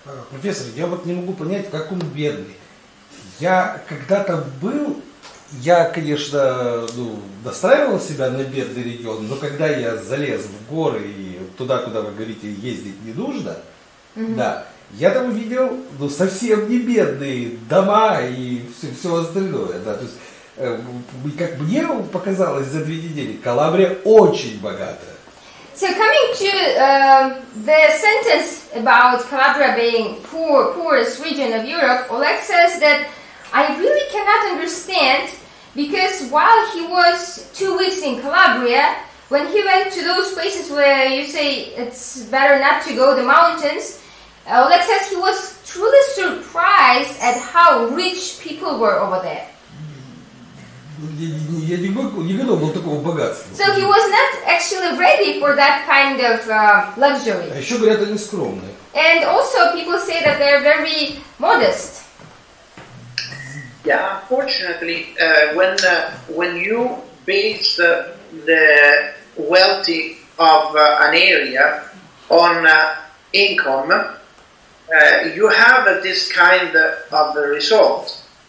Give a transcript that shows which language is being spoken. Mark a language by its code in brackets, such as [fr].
[ru] Профессор, я вот не могу понять, как он бедный. Я когда-то был, я, конечно, ну, настраивал себя на бедный регион, но когда я залез в горы и туда, куда вы говорите, ездить не нужно, да, я там увидел, ну, совсем не бедные дома и все остальное. Да, то есть, как мне показалось за две недели, Калабрия очень богата. [en] So coming to the sentence about Calabria being poorest region of Europe, Oleg says that I really cannot understand, because while he was 2 weeks in Calabria, when he went to those places where you say it's better not to go, the mountains, Oleg says he was truly surprised at how rich people were over there. [ru] Я не готов был такого богатства. [en] So he was not actually ready for that kind of luxury. [ru] А еще говорят, они скромные. [en] And also people say that they are very modest. Yeah, unfortunately, when you base the wealthy of an area on income, you have this kind of the result.